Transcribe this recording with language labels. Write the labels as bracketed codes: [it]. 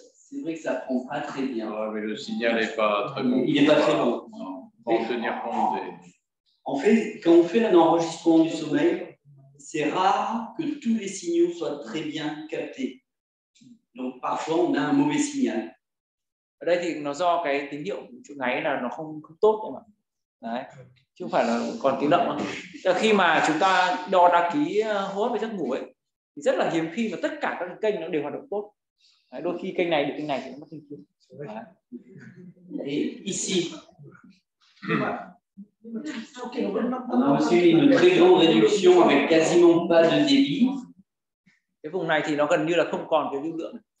[fr] C'est vrai que ça prend pas très bien. Ouais, mais le signal est pas très bon. Il est pas très bon. Pour tenir compte des. En fait, quand on fait un enregistrement du sommeil, c'est rare que tous les signaux soient très bien captés. Donc parfois on a un mauvais signal. [vi] Ở đây thì nó do cái tín hiệu chỗ ngáy là nó không tốt em ạ. Đấy. Chứ không phải là còn tiếng động. Từ khi mà chúng ta đo đa ký hô hấp và giấc ngủ ấy thì rất là hiếm khi mà tất cả các kênh nó đều hoạt động tốt. Đấy, đôi khi kênh này được kênh này thì nó mất tín hiệu. Đấy. Đấy, [fr] ici. On a aussi une très grande réduction avec quasiment pas de débit. [vi] Cái vùng này thì nó gần như là không còn cái lưu lượng.